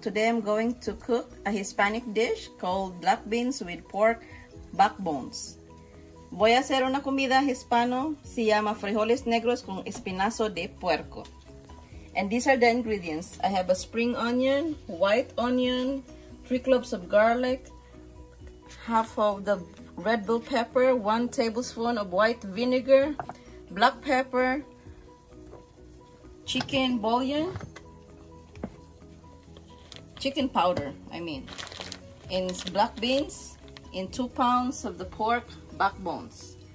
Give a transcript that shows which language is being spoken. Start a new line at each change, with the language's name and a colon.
English: Today I'm going to cook a Hispanic dish called black beans with pork backbones.
Spanish: Voy a hacer una comida hispano, se llama frijoles negros con espinazo de puerco.
English: And these are the ingredients. I have a spring onion, white onion, 3 cloves of garlic, half of the red bell pepper, 1 tablespoon of white vinegar, black pepper, chicken bouillon, chicken powder, I mean, and black beans, and 2 pounds of the pork backbones.